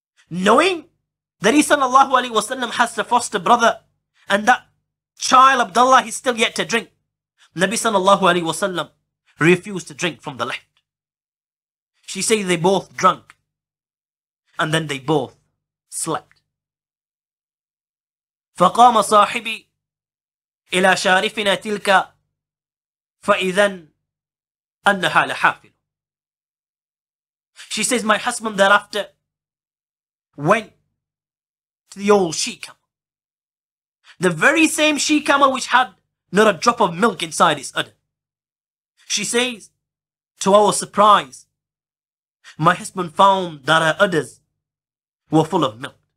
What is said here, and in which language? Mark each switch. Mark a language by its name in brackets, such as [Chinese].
[English] Knowing that he sallallahu alayhi wa sallam has a foster brother and that child Abdullah is still yet to drink, Nabi sallallahu alayhi wa sallam refused to drink from the left. She says they both drank and then they both slept. [Arabic] فقام صاحبي إلى شارفنا تلك فإذا أنها لحافل. [English] She says my husband thereafter went to the old she-camel, the very same she-camel which had not a drop of milk inside its udder. She says, to our surprise, my husband found that her udders were full of milk.